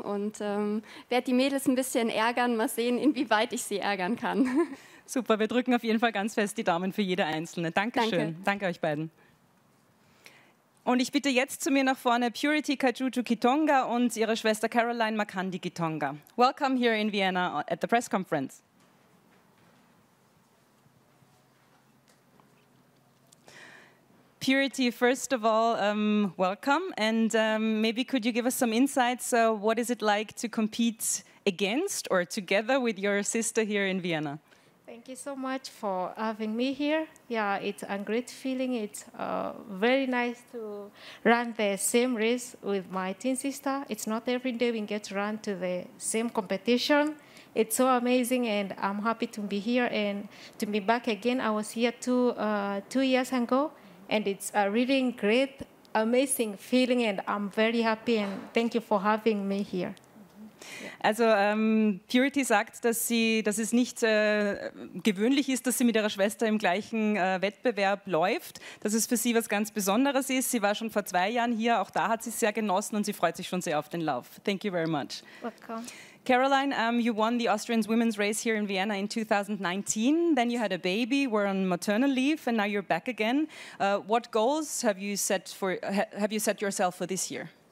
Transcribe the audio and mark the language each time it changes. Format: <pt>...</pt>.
<de>Und werde die Mädels ein bisschen ärgern, mal sehen, inwieweit ich sie ärgern kann. Super, wir drücken auf jeden Fall ganz fest die Daumen für jede Einzelne. Dankeschön. Danke. Danke euch beiden. Und ich bitte jetzt zu mir nach vorne Purity Kajuju Kitonga und ihre Schwester Caroline Makandi Kitonga.</de> <en>Welcome here in Vienna at the press conference. Purity, first of all, welcome. And maybe could you give us some insights? What is it like to compete against or together with your sister here in Vienna? Thank you so much for having me here. Yeah, it's a great feeling. It's very nice to run the same race with my twin sister. It's not every day we get to run to the same competition. It's so amazing, and I'm happy to be here and to be back again. I was here two years ago, and it's a really great, amazing feeling, and I'm very happy, and thank you for having me here.</en> <de>Also Purity sagt, dass es nicht gewöhnlich ist, dass sie mit ihrer Schwester im gleichen Wettbewerb läuft, dass es für sie was ganz Besonderes ist. Sie war schon vor 2 Jahren hier, auch da hat sie es sehr genossen und sie freut sich schon sehr auf den Lauf.</de> <en>Thank you very much. Welcome. Caroline, you won the Austrian women's race here in Vienna in 2019. Then you had a baby, were on maternal leave, and now you're back again. What goals have you set yourself for this year?</en>